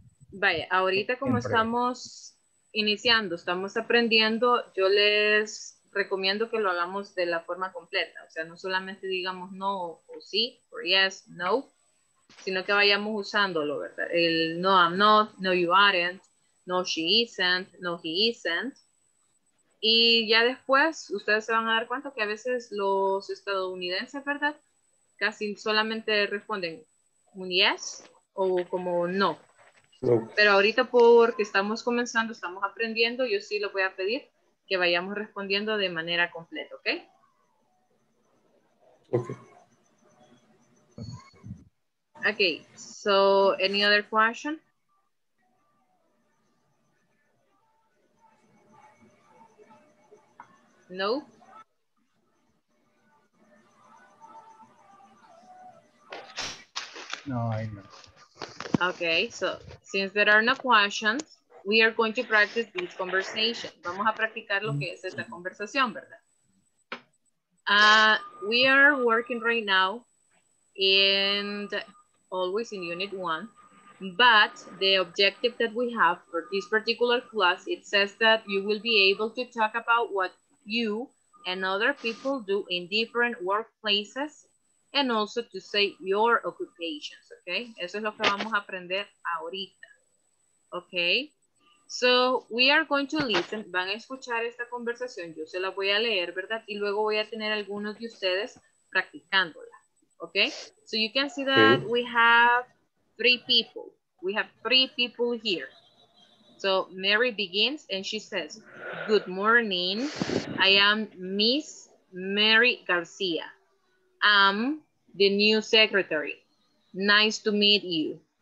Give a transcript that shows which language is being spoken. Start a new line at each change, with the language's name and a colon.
Spanish: Vaya, ahorita como estamos iniciando, estamos aprendiendo, yo les recomiendo que lo hagamos de la forma completa, o sea, no solamente digamos no o sí, o
English: yes, no,
Spanish: sino que vayamos usándolo, ¿verdad?
English: El no, I'm not, no, you aren't, no, she isn't, no, he isn't.
Spanish: Y ya después, ustedes se van a dar cuenta que a veces los estadounidenses, ¿verdad? Casi solamente responden un yes o como no. No. Pero ahorita porque estamos comenzando, estamos aprendiendo, yo sí lo voy a pedir que vayamos respondiendo de manera completa, ¿ok?
English: Ok. Ok, so, any other question? No. No, I know. Okay, so since there are no questions, we are going to practice this conversation.
Spanish: Vamos a practicar lo que es esta conversación, ¿verdad?
English: We are working right now, and always in unit one, but the objective that we have for this particular class, it says that you will be able to talk about what you and other people do in different workplaces and also to say your occupations, okay?
Spanish: Eso es lo que vamos a aprender ahorita, okay?
English: So, we are going to listen,
Spanish: van a escuchar esta conversación, yo se la voy a leer, ¿verdad? Y luego voy a tener algunos de ustedes practicándola, okay?
English: So, you can see that we have three people. We have three people here. So, Mary begins and she says, good morning, I am Miss Mary Garcia. I'm the new secretary. Nice to meet you.